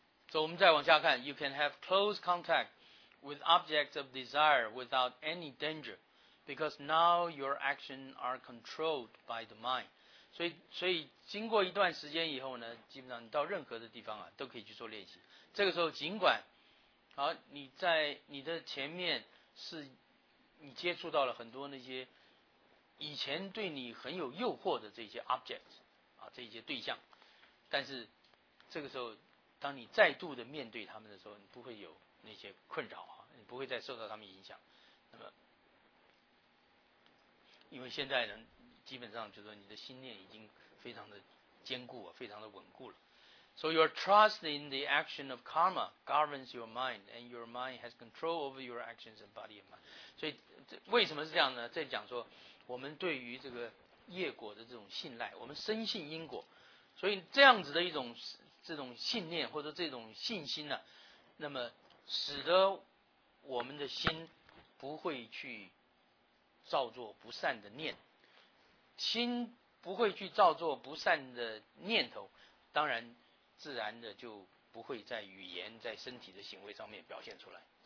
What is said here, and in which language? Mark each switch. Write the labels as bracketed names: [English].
[English] So, [Chinese] 我们再往下看， [English] You can have close contact with objects of desire without any danger, because now your actions are controlled by the mind. [Chinese] 所以经过一段时间以后呢，基本上你到任何的地方啊，都可以去做练习。这个时候尽管好，你在你的前面是你接触到了很多那些以前对你很有诱惑的这些 objects 啊，这些对象，但是这个时候当你再度的面对他们的时候，你不会有那些困扰啊，你不会再受到他们影响。那么因为现在呢，基本上就是说你的心念已经非常的坚固啊，非常的稳固了。 [English] So your trust in the action of karma governs your mind, and your mind has control over your actions and body and mind. [Chinese] 所以为什么是这样呢？在讲说我们对于这个业果的这种信赖，我们深信因果，所以这样子的一种这种信念或者这种信心呢、啊，那么使得我们的心不会去造作不善的念，心不会去造作不善的念头，当然自然的就不会在语言在身体的行为上面表现出来。